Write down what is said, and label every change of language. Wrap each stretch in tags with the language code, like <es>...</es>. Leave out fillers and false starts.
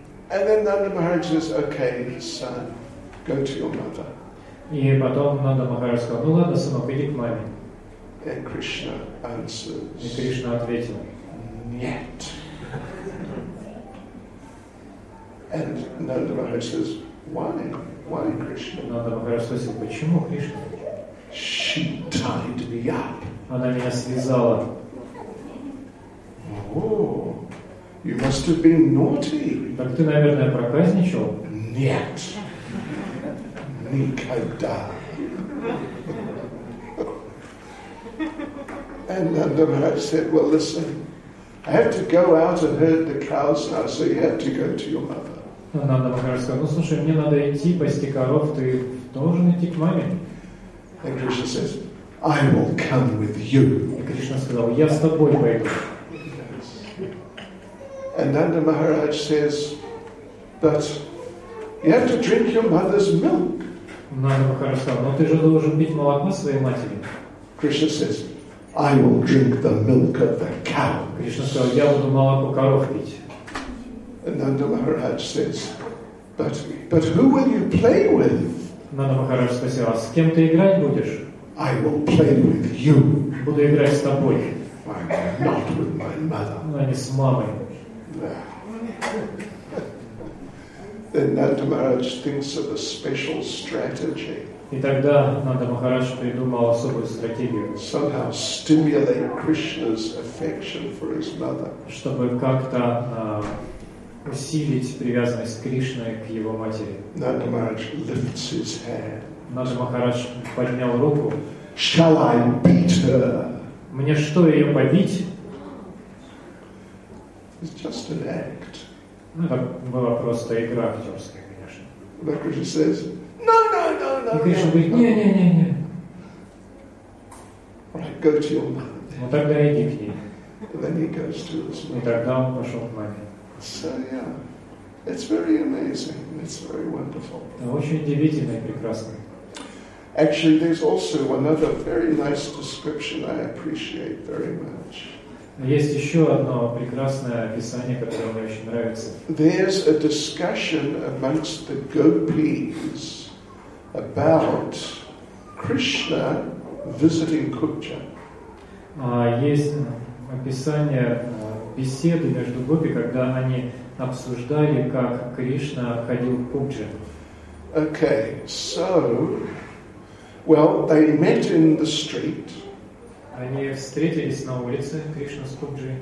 <en>And then Nanda Maharaj says, "Okay, son, go to your mother."</en> <ru>И потом Нанда Махарадж сказал: "Ну ладно, сынок, иди к маме."</ru> <en>And Krishna answers.</en> <ru>И Кришна ответил: "Нет."</ru> <en>And Nanda Maharaj says, why Krishna?</en> <ru>Nanda Maharaj спросил, почему Кришна?</ru> <en>She tied me up.</en> <ru>Она меня связала.</ru> <en>Oh, you must have been naughty.</en> <ru>Так ты, наверное, проказничал? Нет. Никогда.</ru> <en>And Nanda Maharaj said, well, listen, I have to go out and herd the cows now, so you have to go to your mother.</en> <ru>Нанда Махарадж сказал, ну слушай, мне надо идти пасти коров, ты должен идти к маме.</ru> <en>And Krishna says, I will come with you.</en> <ru>И Кришна сказал, я с тобой пойду.</ru> <en>Yes. And Nanda Maharaj says, but you have to drink your mother's milk.</en> <ru>Нанда Махарадж сказал, ну ты же должен пить молоко своей матери.</ru> <en>Krishna says, I will drink the milk of the cow.</en> <ru>Кришна сказал, я буду молоко коров пить.</ru> <en>Nanda Maharaj says, but who will you play with?</en> <ru>Nanda Maharaj спросил, а с кем ты играть будешь?</ru> <en>I will play with you.</en> <ru>Буду играть с тобой.</ru> <en>Not with my mother.</en> <ru>Но не с мамой.</ru> <en>Then Nanda Maharaj thinks of a special strategy.</en> <ru>И тогда Нанда Махарадж придумал особую стратегию.</ru> <en>Somehow stimulate Krishna's affection for his mother.</en> <ru>Чтобы как-то усилить привязанность Кришны к его матери.</ru> <en>Нанда Махарадж lifts his hand.</en> <ru>Нанда Махарадж поднял руку.</ru> <en>Shall I beat her?</en> <ru>Мне что, ее побить?</ru> <en>It's just an act.</en> <ru>Ну, это была просто игра актерская, конечно.</ru> <en>But Krishna says, no.</en> <ru>И Кришна говорит, не.</ru> <en>Right, go to your mother.</en> <ru>Ну, тогда иди к ней.</ru> <en>Then he goes to his mother.</en> <ru>И тогда он пошел к маме.</ru> <en>So, yeah, it's very amazing, it's very wonderful.</en> <ru>Это очень удивительно и прекрасно.</ru> <en>Actually, there's also another very nice description I appreciate very much.</en> <ru>Есть еще одно прекрасное описание, которое мне очень нравится.</ru> <en>There's a discussion amongst the gopis about Krishna visiting Kuncha.</en> <ru>Есть описание беседы между гопи, когда они обсуждали, как Кришна ходил к Кунче.</ru> <en>Okay, so, well, they met in the street.</en> <ru>Они встретились на улице Кришна с Кубджи.</ru>